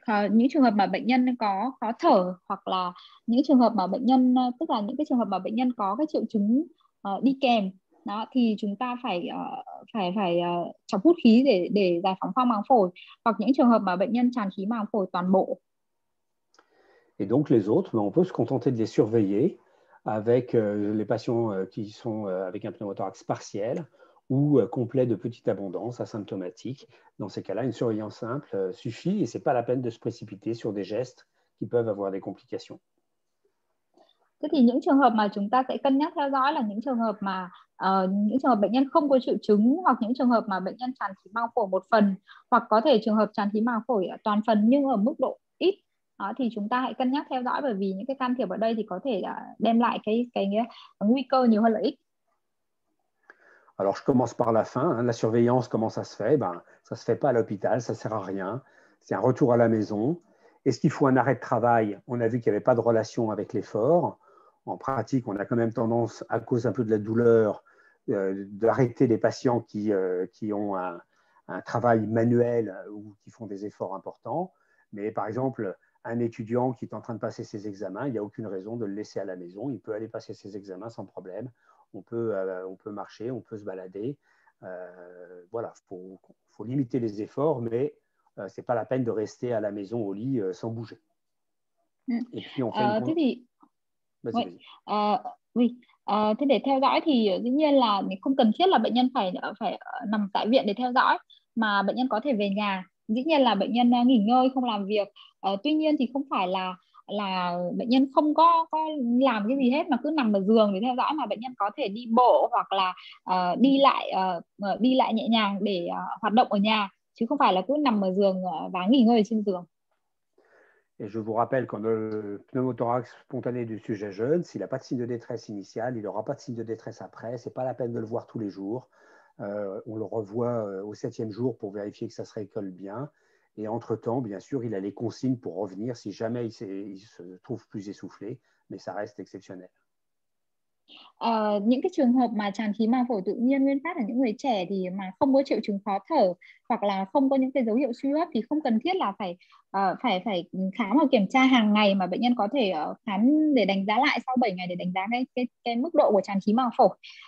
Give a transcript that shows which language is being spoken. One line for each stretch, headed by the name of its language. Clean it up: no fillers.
Vietnamese: những trường hợp mà bệnh nhân có khó thở, hoặc là những trường hợp mà bệnh nhân tức là những cái trường hợp mà bệnh nhân có cái triệu chứng đi kèm đó, thì chúng ta phải chọc hút khí để giải phóng khoang máng phổi, hoặc những trường hợp mà bệnh nhân tràn khí màng phổi toàn bộ.
French: Et donc les autres, on peut se contenter de les surveiller avec les patients qui sont avec un pneumothorax partiel ou complet de petite abondance, asymptomatique. Dans ces cas-là, une surveillance simple suffit et ce n'est pas la peine de se précipiter sur des gestes qui peuvent avoir des complications.
Vietnamese: Thế thì những trường hợp mà chúng ta sẽ cân nhắc theo dõi là những trường hợp mà bệnh nhân không có triệu chứng, hoặc những trường hợp mà bệnh nhân tràn khí màng phổi một phần, hoặc có thể trường hợp tràn khí màng phổi toàn phần nhưng ở mức độ ít. Đó, thì chúng ta hãy cân nhắc theo dõi, bởi vì những cái can thiệp ở đây thì có thể đem lại cái nguy cơ nhiều hơn lợi ích.
French: Alors je commence par la fin, hein. La surveillance, comment ça se fait? Ben, ça se fait pas à l'hôpital, ça sert à rien. C'est un retour à la maison. Est-ce qu'il faut un arrêt de travail? On a vu qu'il y avait pas de relation avec l'effort. En pratique, on a quand même tendance, à cause un peu de la douleur, d'arrêter les patients qui ont un travail manuel ou qui font des efforts importants. Mais par exemple, un étudiant qui est en train de passer ses examens, il n'y a aucune raison de le laisser à la maison. Il peut aller passer ses examens sans problème. On peut marcher, on peut se balader. Voilà, faut limiter les efforts, mais ce n'est pas la peine de rester à la maison au lit sans bouger. Et puis, on fait une conclusion. Oui.
Vietnamese: Thế để theo dõi thì dĩ nhiên là không cần thiết là bệnh nhân phải nằm tại viện để theo dõi, mà bệnh nhân có thể về nhà. Dĩ nhiên là bệnh nhân nghỉ ngơi, không làm việc. Tuy nhiên thì không phải là bệnh nhân không có làm cái gì hết mà cứ nằm ở giường để theo dõi, mà bệnh nhân có thể đi bộ hoặc là đi lại nhẹ nhàng để hoạt động ở nhà, chứ không phải là cứ nằm ở giường và nghỉ ngơi trên giường.
French: Et je vous rappelle qu'en pneumothorax spontané du sujet jeune, s'il n'a pas de signe de détresse initiale, il n'aura pas de signe de détresse après. Ce n'est pas la peine de le voir tous les jours. On le revoit au septième jour pour vérifier que ça se récolte bien. Et entre-temps, bien sûr, il a les consignes pour revenir si jamais il se trouve plus essoufflé, mais ça reste exceptionnel.
Vietnamese: Những cái trường hợp mà tràn khí màng phổi tự nhiên nguyên phát ở những người trẻ thì mà không có triệu chứng khó thở, hoặc là không có những cái dấu hiệu suy hô hấp, thì không cần thiết là phải khám và kiểm tra hàng ngày, mà bệnh nhân có thể khám để đánh giá lại sau 7 ngày để đánh giá cái mức độ của tràn khí màng phổi.